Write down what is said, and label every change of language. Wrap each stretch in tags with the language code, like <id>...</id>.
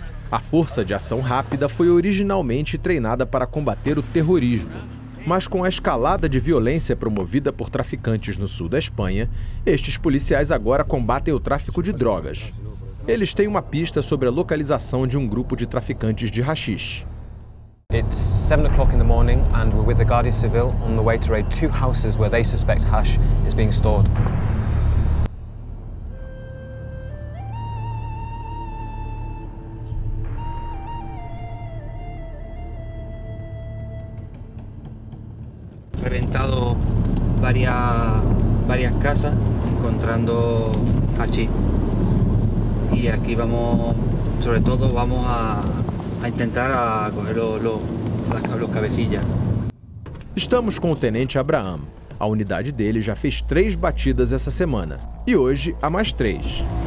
<pt>A Força de Ação Rápida foi originalmente treinada para combater o terrorismo. Mas com a escalada de violência promovida por traficantes no sul da Espanha, estes policiais agora combatem o tráfico de drogas. Eles têm uma pista sobre a localização de um grupo de traficantes de haxixe.</pt> <en>It's 7 o'clock in the morning and we're with the Guardia Civil on the way to raid two houses where they suspect hash is being stored.</en> <es>Reventado varias casas encontrando hachí. Y aquí vamos, sobre todo, vamos a intentar a coger los cabecillas.</es> <pt>Estamos com o tenente Abraham. A unidade dele já fez 3 batidas essa semana. E hoje há mais 3.</pt>